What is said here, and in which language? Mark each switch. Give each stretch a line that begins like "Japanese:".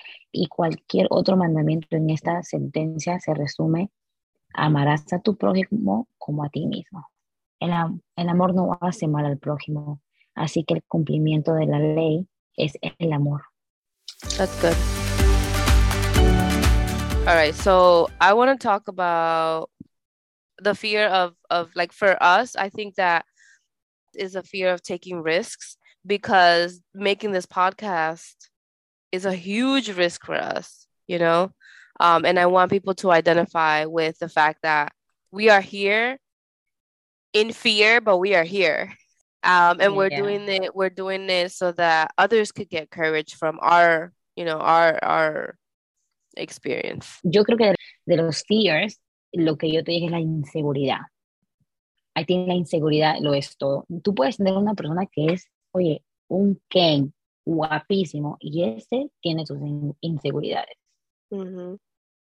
Spanish: Y cualquier otro mandamiento en esta sentencia se resume: amarás a tu prójimo como a ti mismo. El amor no hace mal al prójimo, así que el cumplimiento de la ley es el amor.
English: That's good. All right, so I want to talk about the fear of like, for us, I think that is a fear of taking risks, because making this podcast is a huge risk for us, you know? And I want people to identify with the fact that we are here in fear, but we are here. And we're doing it so that others could get courage from our, you know, our experience.
Spanish: Yo creo que de los fears, lo que yo te dije es la inseguridad.
English: I think
Spanish: la inseguridad lo es todo. Tú puedes tener una persona que es, oye, un Ken, guapísimo, y ese tiene sus inseguridades. Mm-hmm.